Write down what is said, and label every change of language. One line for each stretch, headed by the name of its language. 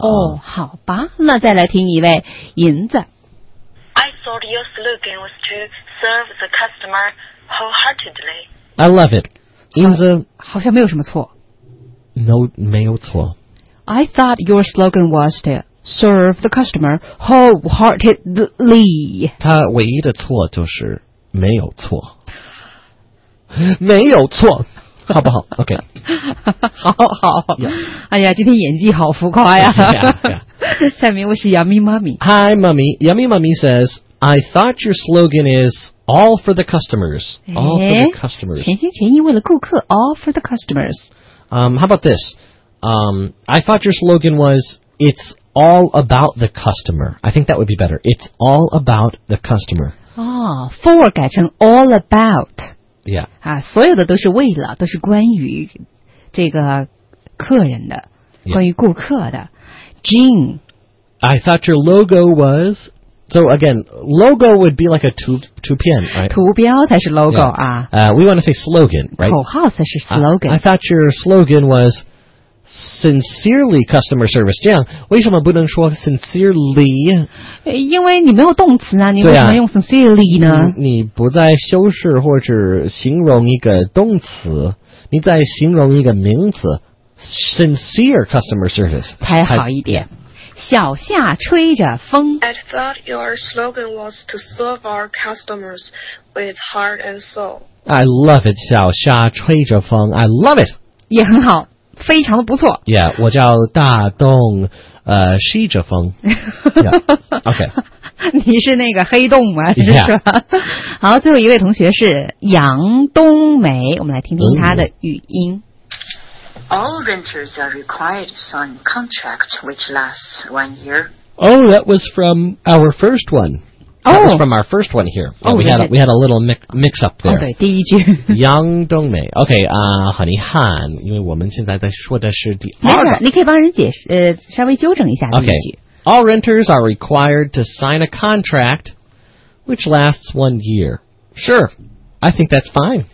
Chinese: 哦、oh, 好吧那再来听一位银子。
English: I thought your slogan was to serve the customer wholeheartedly. I love it. 银子。
Chinese: 好像没有什么错。 No, 没有错。
English: I thought your slogan was to serve the customer wholeheartedly.
Chinese: 他唯一的错就是没有错。没有错。好不好 ？OK，好好。
English: Yeah.
Chinese: 哎呀，今天演技好浮夸呀！
English: Yeah, yeah.
Chinese: 下面我是 Yummy Mommy。
English: Hi, Mommy. Yummy Mommy says, "I thought your slogan is all for the customers. All for the customers.
Chinese: 全心全意为了顾客
English: All for the customers. How about this? I thought your slogan was it's all about the customer. I think that would be better. It's all about the customer. Oh, for
Chinese: 改成
English: all about. Yeah.
Chinese: 啊，所有的都是为了，都是关于这个客人的，
English: yeah.
Chinese: 关于顾客的。Jean,
English: I thought your logo was. So again, logo would be like a 图片 right?
Chinese: 图标才是 logo、
English: yeah. 啊。 We want to say slogan, right?
Chinese: 口号才是 slogan.
English: I thought your slogan was sincerely customer service.
Chinese: 这样为什么不能说 sincerely? 因为你没有动词啊，你为什么用 sincerely 呢？你不在修饰或者形容一个动词，你在形容一个名词 sincere customer service 才好一点。小夏吹着风。
English: I thought your slogan was to serve our customers with heart and soul. I love it, 小沙吹着风 I love it.
Chinese: 也很好，非常的不错。 Yeah, 我叫大洞，吸着风。
English: Yeah, OK.
Chinese: 你是那个黑洞吗？是吧？
English: Yeah.
Chinese: 好，最后一位同学是杨冬梅，我们来听听她的语音。
English: All renters are required to sign contracts which lasts 1 year. Oh, that was from our first one. Oh. That was from our first one here. Oh, we had a, we had a little mix up there.
Chinese: 哦、oh, 对，第一句。杨冬梅 ，OK 啊，很遗憾，因为我们现在在说的是第二个。没事，你可以帮人解释，稍微纠正一下第一句。
English: Okay. All renters are required to sign a contract which lasts 1 year. Sure, I think that's fine.